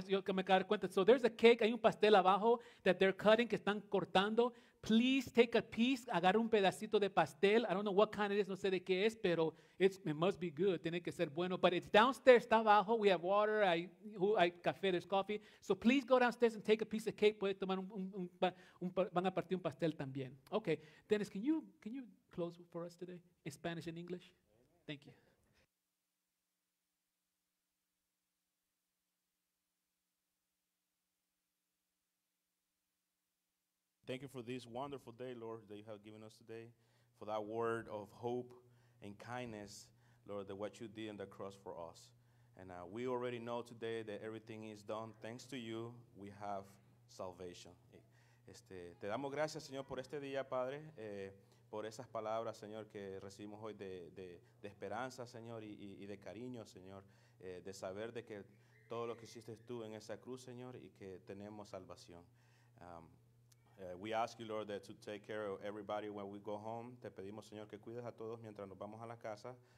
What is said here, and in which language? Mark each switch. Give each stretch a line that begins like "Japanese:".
Spanish: Yo que me acabo de dar cuenta.
English: So there's a cake.
Spanish: Hay un pastel abajo
English: that they're cutting,
Spanish: que están cortando.
English: Please take a piece.
Spanish: Agarra un pedacito de pastel.
English: I don't know what kind it is.
Spanish: No sé de qué es, pero
English: it must be good.
Spanish: Tiene que ser bueno.
English: But it's downstairs.
Spanish: Está abajo.
English: We have water. Café. There's coffee. So please go downstairs and take a piece of cake.
Spanish: Puede tomar un van a partir un pastel también.
English: Okay. Dennis, can you close for us today in Spanish and English? Thank you. Thank you for this wonderful day, Lord, that you have given us today, for that word of hope and kindness, Lord, that what you did on the cross for us. And we already know today that everything is done. Thanks to you, we have salvation.
Spanish: Te damos gracias, Señor, por este día, Padre, por esas palabras, Señor, que recibimos hoy de esperanza, Señor, y de cariño, Señor, de saber de que todo lo que hiciste tú en esa cruz, Señor, y que tenemos salvación.
English: We ask you, Lord, that to take care of everybody when we go home.
Spanish: Te pedimos, Señor, que cuides a todos mientras nos vamos a la casa.